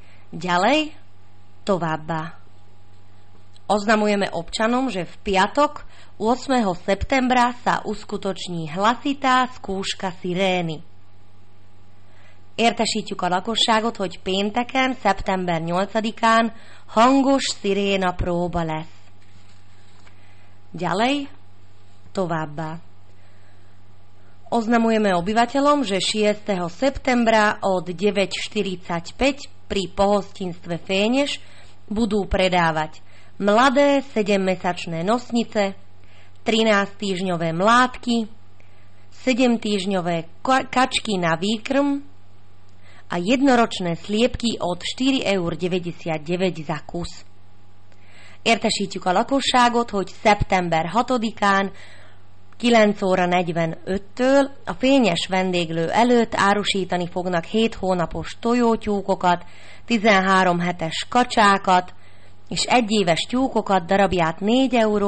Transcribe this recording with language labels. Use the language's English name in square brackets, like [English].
[Slovak] Ďalej, [Hungarian] továbbá. [Slovak] Oznamujeme občanom, že v piatok 8. septembra sa uskutoční hlasitá skúška sirény. [Hungarian] Értesítjük a lakosságot, hogy pénteken, szeptember 8-án hangos siréna próba lesz. [Slovak] Ďalej, [Hungarian] továbbá. [Slovak] Oznamujeme obyvateľom, že 6. septembra od 9.45 pri pohostinstve Fénieš budú predávať mladé 7-mesačné nosnice, 13-týžňové mládky, 7-týžňové kačky na výkrm a jednoročné sliepky od 4,99 eur za kus. [Hungarian] Értesítjük a lakosságot, hogy szeptember 6-án 9 óra 45-től a Fényes vendéglő előtt árusítani fognak 7 hónapos tojótyúkokat, 13 hetes kacsákat és 1 éves tyúkokat darabját 4,99 eurért. [Slovak] Koniec oznamov,